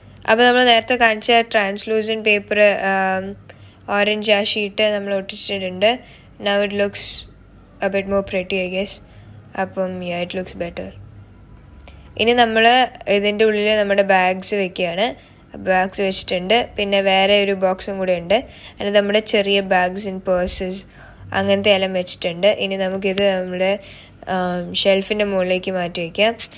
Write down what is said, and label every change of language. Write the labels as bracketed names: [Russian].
[Malayalam] അപ്പോൾ നമ്മൾ നേരത്തെ കാണിച്ച ട്രാൻസ്ലൂസൻറ്റ് പേപ്പർ ഓറഞ്ച് ആ ഷീറ്റ് നമ്മൾ ഒട്ടിച്ചിട്ടുണ്ട്. [English] Now it looks a bit more pretty, I guess. Appum, yeah, it looks better. [Malayalam] ഇനി നമ്മൾ ഇതിൻ്റെ ഉള്ളിൽ നമ്മുടെ ബാഗ്സ് വെക്കുകയാണ്. ബാഗ്സ് വെച്ചിട്ടുണ്ട്. പിന്നെ വേറെ ഒരു ബോക്സും കൂടെ ഉണ്ട്, അതിന് നമ്മുടെ ചെറിയ ബാഗ്സ് ഇൻ പേഴ്സസ് അങ്ങനത്തെ എല്ലാം വെച്ചിട്ടുണ്ട്. ഇനി നമുക്കിത് നമ്മുടെ ഷെൽഫിൻ്റെ മുകളിലേക്ക് മാറ്റി വയ്ക്കാം.